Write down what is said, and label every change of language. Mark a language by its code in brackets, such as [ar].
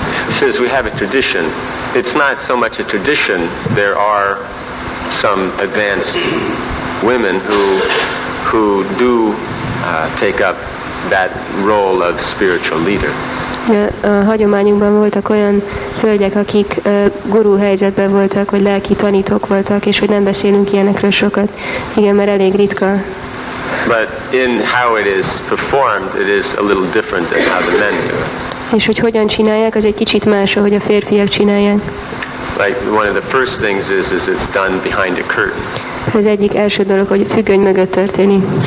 [en] says we have a tradition. It's not so much a tradition. There are some advanced women who do take up that role of spiritual leader. [hu] A hagyományunkban voltak olyan hölgyek, akik guru helyzetben voltak, vagy lelki tanítók voltak, és hogy nem beszélünk ilyenekről sokat. Igen, mert elég ritka. [en] But in how it is performed, it is a little different than how the men do. [hu] És hogy hogyan csinálják, az egy kicsit más, ahogy a férfiak csinálják. [en] Like one of the first things is it's done behind a curtain. [hu] Az egyik első dolog, hogy függöny mögött történik.